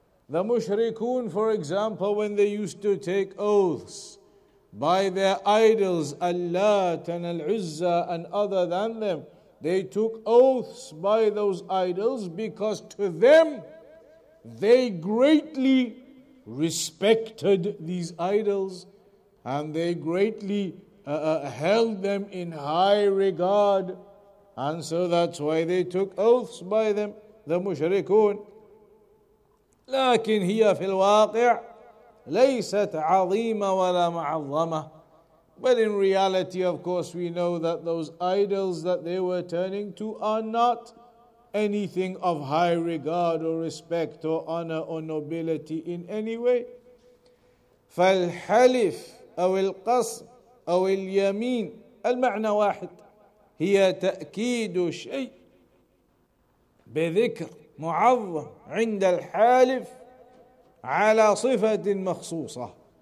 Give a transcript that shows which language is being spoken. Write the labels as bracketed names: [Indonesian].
[English] The mushrikun, for example, when they used to take oaths by their idols, Al-Lat and Al-Uzza and other than them, they took oaths by those idols because to them, they greatly respected these idols and they greatly held them in high regard. And so that's why they took oaths by them, the mushrikun. [Arabic] لكن هي في الواقع ليست عظيمة ولا معظمة. [English] But in reality, of course, we know that those idols that they were turning to are not anything of high regard or respect or honor or nobility in any way. [Arabic] فالحلف أو القسم أو اليمين المعنى واحد هي تأكيد شيء بذكر معظم عند الحالف على صفة مخصوصة.